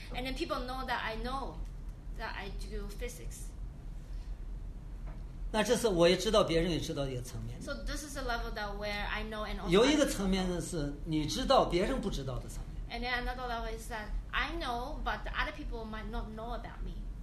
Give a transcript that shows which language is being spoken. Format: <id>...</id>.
<en>And then people know that I do physics.</en> <zh>那这是我也知道，别人也知道一个层面。</zh> <en>So this is a level that where I know and also.</en> <zh>有一个层面呢是你知道别人不知道的层面。</zh> <en>And then another level is that I know, but the other people might not know about me.</en>